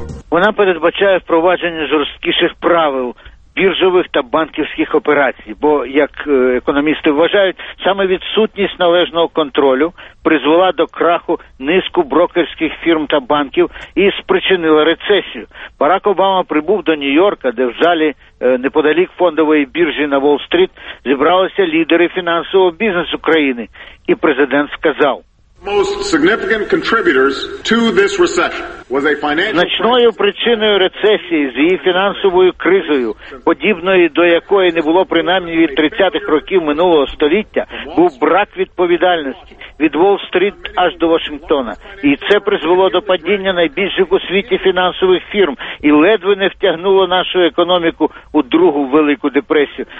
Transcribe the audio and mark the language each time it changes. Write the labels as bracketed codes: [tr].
[uk] Вона передбачає впровадження жорсткіших правил біржових та банківських операцій, бо, як економісти вважають, саме відсутність належного контролю призвела до краху низку брокерських фірм та банків і спричинила рецесію. Барак Обама прибув до Нью-Йорка, де в залі неподалік фондової біржі на Уолл-стріт зібралися лідери фінансового бізнесу країни, і президент сказав: [en] most significant contributors to this recession was a financial crisis. [uk] Значною причиною рецесії з її фінансовою кризою, подібної до якої не було принаймні від 30-х років минулого століття, був брак відповідальності від Уолл-стріт аж до Вашингтона. І це призвело до падіння найбільших у світі фінансових фірм і ледве не втягнуло нашу економіку у другу велику депресію.